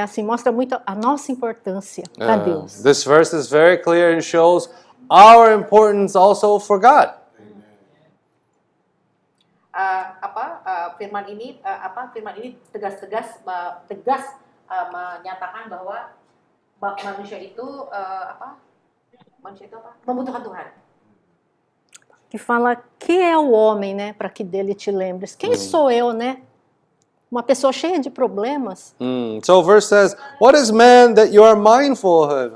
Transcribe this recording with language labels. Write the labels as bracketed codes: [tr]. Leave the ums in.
[pt] Assim mostra muito a nossa importância para yeah. uh, Deus. [en] This verse is very clear and shows our importance also for God. Mm -hmm. [id] Uh, apa uh, firman ini uh, apa firman ini tegas-tegas tegas, uh, tegas uh, menyatakan bahwa manusia itu uh, apa manusia itu apa membutuhkan Tuhan. [pt] que fala quem é o homem, né, para que dele te lembres. Quem mm. sou eu, né? Uma pessoa cheia de problemas. Então o verso diz, [en] what is man that you are mindful of?